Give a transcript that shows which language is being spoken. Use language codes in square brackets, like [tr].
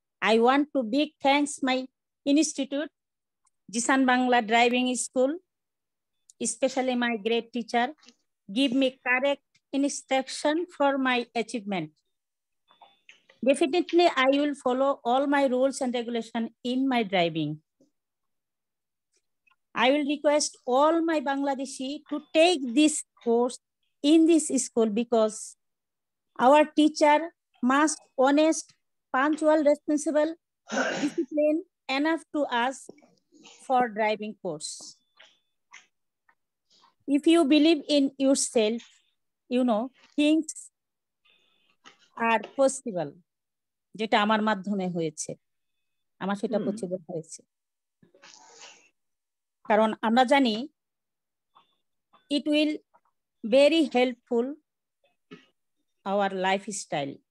[en] I want to big thanks my institute Zisan Bangla driving school, specially my great teacher give me correct instruction for my achievement. Definitely I will follow all my rules and regulation in my driving. I will request all my Bangladeshi to take this course in this school because our teacher must honest, punctual, responsible, discipline enough to us for driving course. If you believe in yourself, you know, things are possible. [bn] যেটা আমার মাধ্যমে হয়েছে, আমার সেটা possible হয়েছে। কারণ আমরা জানি [en] It will very helpful our life style.